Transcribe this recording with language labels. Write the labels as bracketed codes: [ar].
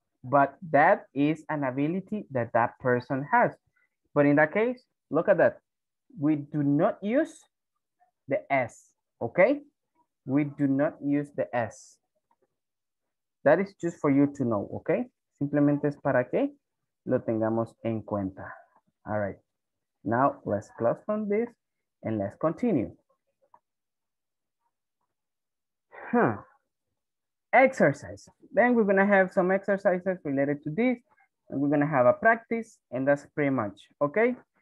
[en] But that is an ability that that person has. But in that case, look at that. We do not use the S, okay. We do not use the S. That is just for you to know, okay? [es] Simplemente es para que lo tengamos en cuenta. [en] All right. Now, let's close from this and let's continue. Exercise. Then we're going to have some exercises related to this. we're going to have a practice, and that's pretty much, okay?